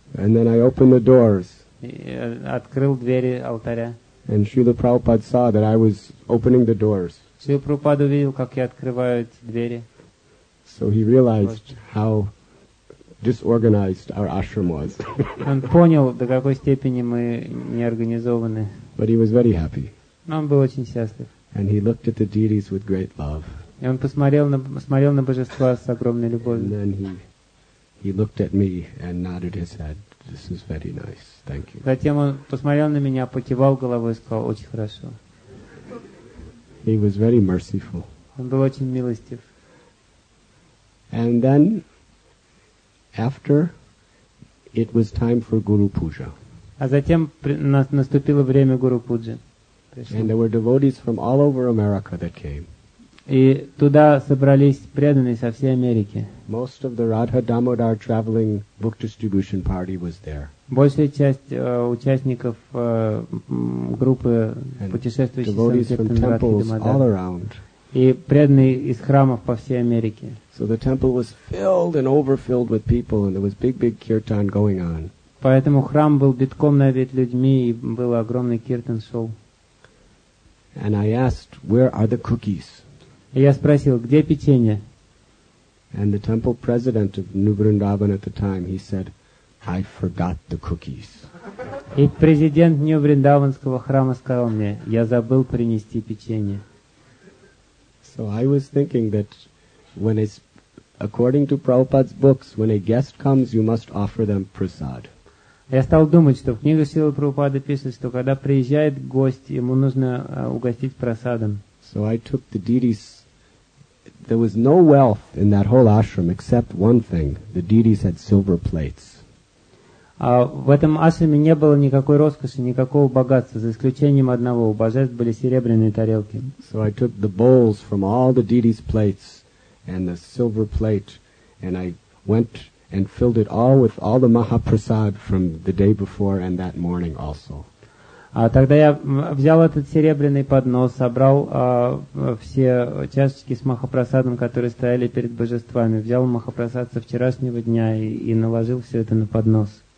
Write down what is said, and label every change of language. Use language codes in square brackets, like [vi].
[en] And then I opened the doors. [ru] открыл двери алтаря. [en] And Srila Prabhupada saw that I was opening the doors. [ru] Srila Prabhupada увидел, как я открываю эти двери. [en] So he realized how disorganized our ashram was. [ru] Он понял, до какой степени мы неорганизованы. [en] But he was very happy. [ru] Но он был очень счастлив. [en] And he looked at the deities with great love. [ru] И он посмотрел на божества с огромной любовью. [en] And then he looked at me and nodded his head. This is very nice. Thank you. [ru] Затем он посмотрел на меня, покивал головой и сказал: очень хорошо. [en] He was very merciful. [ru] Он был очень милостив. [en] And then, after, it was time for Guru Puja. [ru] А затем наступило время Гуру Пуджи. [en] And there were devotees from all over America that came. [ru] И туда собрались преданные со всей Америки. [en] Most of the Radha Damodar traveling book distribution party was there. [ru] Большая часть участников группы путешествующих [en] from temples all around. [ru] И преданные из храмов по всей Америке. [en] So the temple was filled and overfilled with people, and there was big kirtan going on. [ru] Поэтому храм был битком набит людьми, и был огромный киртан шоу. [en] And I asked, where are the cookies? [ru] И я спросил, где печенье? [en] And the temple president of New Vrindavan at the time, he said, I forgot the cookies. [ru] И президент Нью-Вриндаванского храма сказал мне, я забыл принести печенье. [en] So I was thinking that when it's, according to Prabhupada's books, when a guest comes, you must offer them prasad. [ru] Я стал думать, что в книгах Силы Прабхупады пишется, что когда приезжает гость, ему нужно угостить прасадом. [en] So I took the deities. There was no wealth in that whole ashram except one thing. The deities had silver plates. [ru] В этом ашраме не было никакой роскоши, никакого богатства, за исключением одного. У божеств были серебряные тарелки. [en] So I took the bowls from all the deities' plates and the silver plate, and I went and filled it all with all the Mahaprasad from the day before and that morning also. [ru] Тогда я взял этот серебряный поднос, собрал все чашечки с Махапрасадом, которые стояли перед божествами, взял Махапрасад со вчерашнего дня и наложил все это на поднос.